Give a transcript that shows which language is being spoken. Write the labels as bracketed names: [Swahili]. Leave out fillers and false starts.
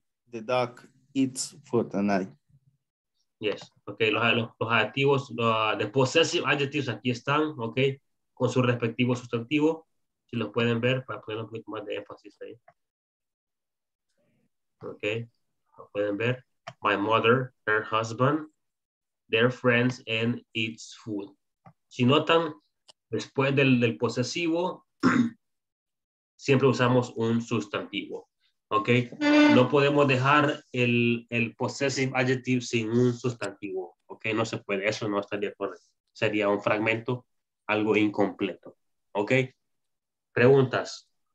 [English] The dog eats food at night. Yes, okay. [Spanish] Los adjetivos, the possessive adjectives aquí están, okay, con su respectivo sustantivo. Si los pueden ver para poner un poquito más de énfasis ahí. Okay, lo pueden ver. [English] My mother, her husband, their friends, and its food. [Spanish] Si notan, después del posesivo, siempre usamos un sustantivo. Ok, no podemos dejar el possessive adjective sin un sustantivo. Ok, no se puede, eso no estaría correcto. Sería un fragmento, algo incompleto. Ok, preguntas.